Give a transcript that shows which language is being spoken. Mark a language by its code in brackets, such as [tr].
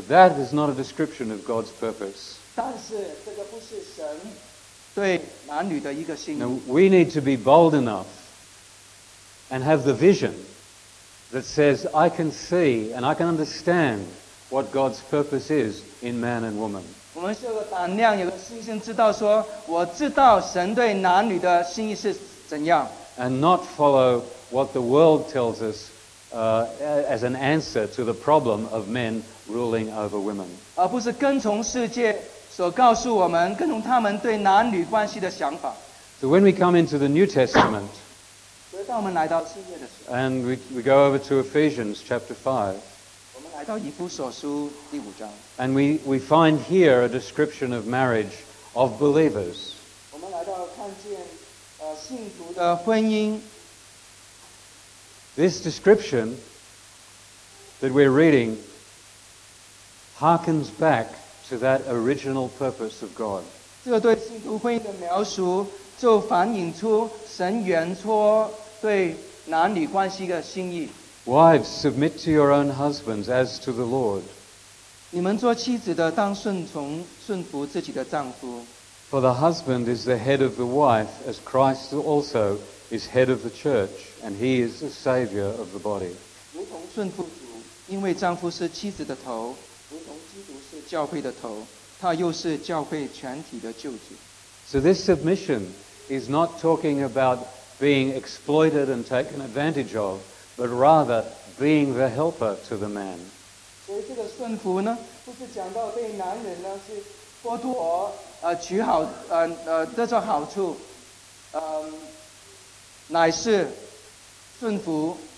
[en] But that is not a description of God's purpose. [zh] 但是这个不是神。对男女的一个心意。 [en] Now, we need to be bold enough and have the vision that says, I can see and I can understand what God's purpose is in man and woman. [zh] 我们是有个胆量，有个信心，知道说，我知道神对男女的心意是怎样。 [en] And not follow what the world tells us, as an answer to the problem of men ruling over women. [zh] 而不是跟从世界。所告诉我们跟从他们对男女关系的想法 [en] So when we come into the New Testament [zh] 所以当我们来到新约的时候 [en] And we go over to Ephesians chapter 5 [zh] 我们来到以弗所书第五章 [en] And we find here a description of marriage of believers [zh] 我们来到看见信徒的婚姻 [en] This description that we're reading harkens backto that original purpose of God. [zh] 这对信徒婚姻的描述就反映出神原初对男女关系的心意。 [en] Wives, submit to your own husbands as to the Lord. [zh] 你们做妻子的当顺从顺服自己的丈夫。 [en] For the husband is the head of the wife, as Christ also is head of the church, and he is the savior of the body. [zh] 如同顺服主，因为丈夫是妻子的头。教会的头，他又是教会全体的救主。 [en] So this submission is not talking about being exploited and taken advantage of, but rather being the helper to the man. [zh] 所以这个顺服呢，不是讲到被男人呢去剥夺取好得到好处，乃是顺服。